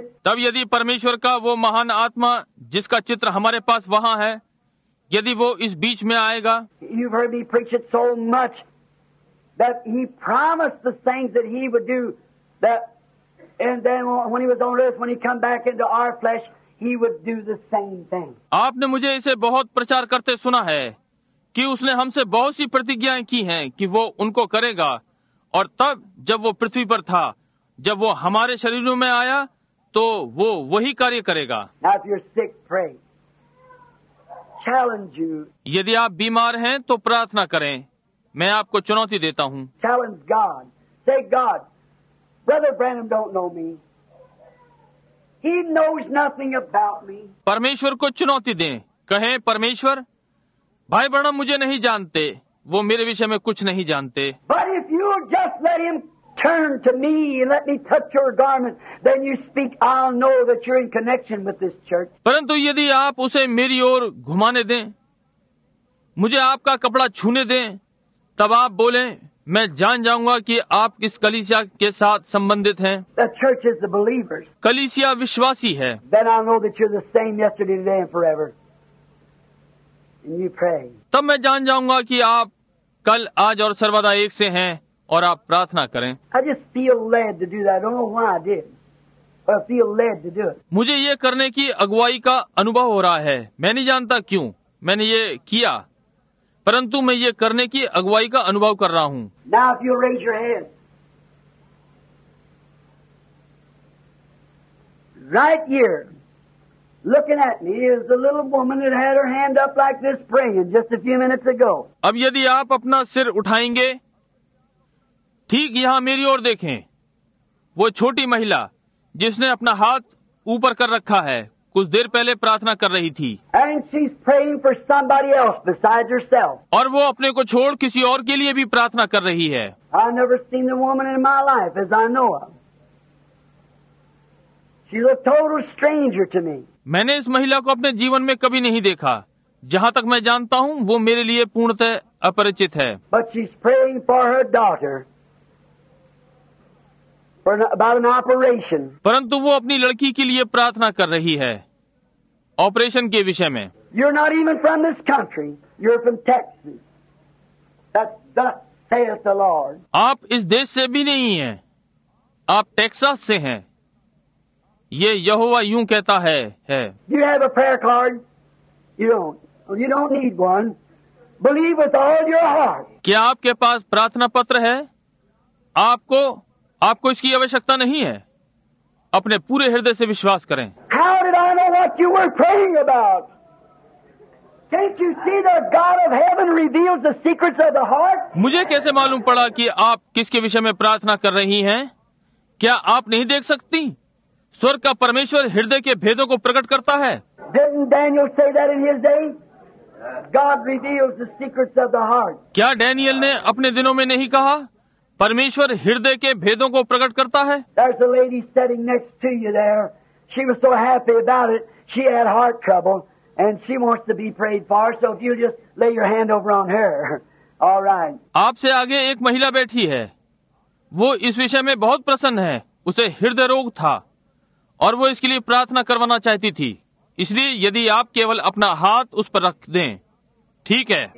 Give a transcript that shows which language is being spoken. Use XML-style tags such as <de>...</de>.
<hi>तब यदि परमेश्वर का वो महान आत्मा जिसका चित्र हमारे पास वहां है, यदि वो इस बीच में आएगा.</hi> <en>You've heard me preach it so much that he promised the things that he would do that. And then when he was on earth, when he came back into our flesh, he would do the same thing.</en> <hi>आपने मुझे इसे बहुत प्रचार करते सुना है कि उसने हमसे बहुत सी प्रतिज्ञाएं की हैं कि वो उनको करेगा. और तब जब वो पृथ्वी पर था, जब वो हमारे शरीरों में आया, तो वो वही कार्य करेगा.</hi> <en>Now if you're sick, pray. Challenge you.</en> <hi>यदि आप बीमार हैं तो प्रार्थना करें. मैं आपको चुनौती देता हूँ.</hi> <en>Challenge God. Say God. Brother Branham don't know me. He knows nothing about me.</en> <hi>परमेश्वर को चुनौती दें. कहें, परमेश्वर, भाई ब्रैनम मुझे नहीं जानते. वो मेरे विषय में कुछ नहीं जानते.</hi> <en>But if you just let him turn to me and let me touch your garment, then you speak, I'll know that you're in connection with this church.</en> <hi>परंतु यदि आप उसे मेरी ओर घुमाने दें, मुझे आपका कपड़ा छूने दें, तब आप बोलें, मैं जान जाऊंगा कि आप किस कलीसिया के साथ संबंधित हैं.</hi> <en>The church is the believers.</en> <hi>कलीसिया विश्वासी है.</hi> <en>Then I know that you're the same yesterday, today and forever. And you pray.</en> <hi>तब मैं जान जाऊंगा कि आप कल, आज और सर्वदा एक से हैं और आप प्रार्थना करें.</hi> <en>I just feel led to do that. I don't know why I did. But I feel led to do it.</en> <hi>मुझे ये करने की अगुवाई का अनुभव हो रहा है. मैं नहीं जानता क्यों मैंने ये किया, परंतु मैं ये करने की अगुवाई का अनुभव कर रहा हूँ।</hi> <en>Now if you'll raise your hand. Right here, looking at me, is the little woman that had her hand up like this praying just a few minutes ago.</en> <hi>अब यदि आप अपना सिर उठाएंगे, ठीक यहाँ मेरी ओर देखें, वो छोटी महिला जिसने अपना हाथ ऊपर कर रखा है, कुछ देर पहले प्रार्थना कर रही थी।</hi> <en>And she's praying for somebody else besides herself.</en> <hi>और वो अपने को छोड़ किसी और के लिए भी प्रार्थना कर रही है।</hi> <en>I never seen the woman in my life as I know of. She's a total stranger to me.</en> <hi>मैंने इस महिला को अपने जीवन में कभी नहीं देखा, जहाँ तक मैं जानता हूँ वो मेरे लिए पूर्णतः अपरिचित है।</hi> <en>But she's praying for her daughter. About an operation.</en> <hi>परंतु वो अपनी लड़की के लिए प्रार्थना कर रही है ऑपरेशन के विषय में।</hi> <en>You're not even from this country. You're from Texas. That thus saith the Lord.</en> <hi>आप इस देश से भी नहीं हैं। आप टेक्सास से हैं। ये यहोवा यूं कहता है, है।</hi> <en>Do you have a prayer card? You don't need one. Believe with all your heart.</en> <hi>क्या आपके पास प्रार्थना पत्र है? आपको इसकी आवश्यकता नहीं है। अपने पूरे हृदय से विश्वास करें।</hi> <en>How did I know what you were praying about? Can't you see the God of heaven reveals the secrets of the heart?</en> <hi>मुझे कैसे मालूम पड़ा कि आप किसके विषय में प्रार्थना कर रही हैं? क्या आप नहीं देख सकती? स्वर्ग का परमेश्वर हृदय के भेदों को प्रकट करता है।</hi> <en>Didn't Daniel say that in his day? God reveals the secrets of the heart.</en> <hi>क्या डैनियल ने अपने दिनों में नहीं कहा परमेश्वर हृदय के भेदों को प्रकट करता है?</hi> <en>There's a lady sitting next to you there. She was so happy about it. She had heart trouble and she wants to be prayed for. So if you just lay your hand over on her. All right.</en> <hi>आपसे आगे एक महिला बैठी है। वो इस विषय में बहुत प्रसन्न है। उसे हृदय रोग था और वो इसके लिए प्रार्थना करवाना चाहती थी। इसलिए यदि आप केवल अपना हाथ उस पर रख दें, ठीक है।</hi>